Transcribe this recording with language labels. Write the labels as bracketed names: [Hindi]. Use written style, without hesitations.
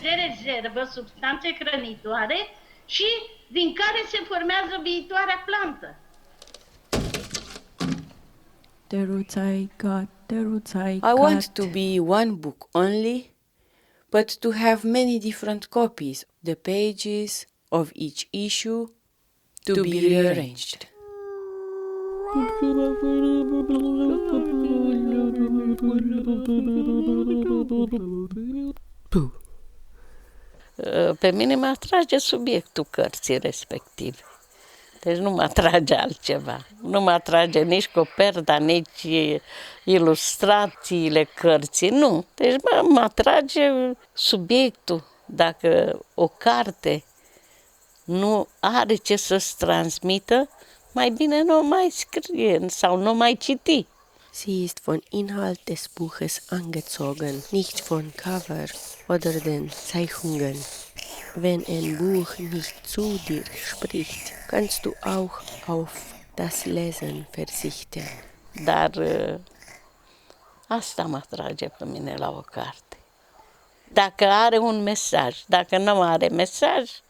[Romanian] De rezervă substanțe hrănitoare și din care se formează viitoarea plantă. [English] The roots I got, the roots I cut. I want to be one book only, but to have many different copies, the pages of each issue to be rearranged. [Romanian] Pe mine mă atrage subiectul cărții respective. Deci nu mă atrage altceva. Nu mă atrage nici coperta, nici ilustrațiile cărții, nu. Deci mă atrage subiectul. Dacă o carte nu are ce să-ți transmită, mai bine nu o mai scrie sau nu o mai citi. [German] Sie ist von Inhalt des Buches angezogen, nicht von Cover oder den Zeichnungen. Wenn ein Buch nicht zu dir spricht, kannst du auch auf das Lesen verzichten. [Romanian] Dar asta mă atrage pe mine la o carte. Dacă are un mesaj, dacă nu are mesaj,